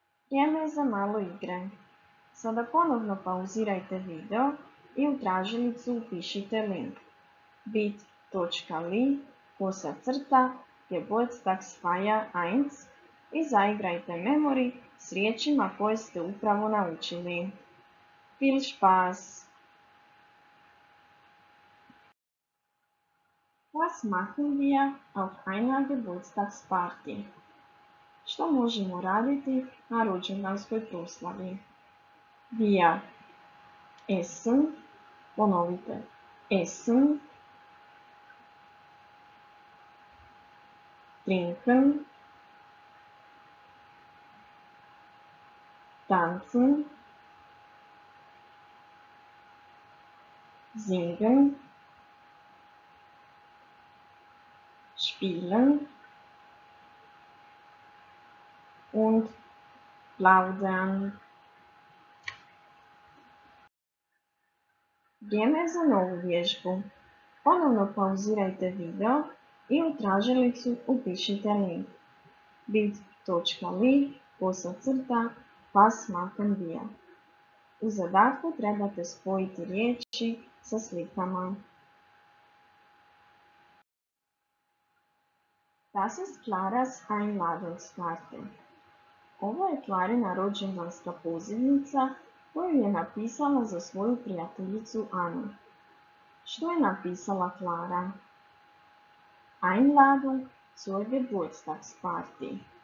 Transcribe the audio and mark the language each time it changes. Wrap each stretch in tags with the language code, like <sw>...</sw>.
<hr>Vrijeme je za malo igre. Sada ponovno pauzirajte video i u tražilicu upišite link bit.ly/gebotstagsfeier1 i zaigrajte memory s riječima koje ste upravo naučili.</hr> <de>Viel Spaß! Was machen wir auf einer Geburtstagsparty?</de> <hr>Što možemo raditi na rođendanskoj proslavi?</hr> <de>Via Essen,</de> <hr>ponovite,</hr> <de>Essen, Trinken, Tanzen, Singen, Spielen und plaudern.</de> <hr>Vrijeme je za novu vježbu. Ponovno pauzirajte video i u tražilicu upišite link bit.ly/pasmakenvia. U zadatku trebate spojiti riječi sa slikama.</hr> <de>Das ist Claras Einladungskarte.</de> <hr>Ovo je Klarina rođendanska pozivnica koju je napisala za svoju prijateljicu Anu. Što je napisala Klara?</hr> <de>Einladung zur Geburtstagsparty.</de>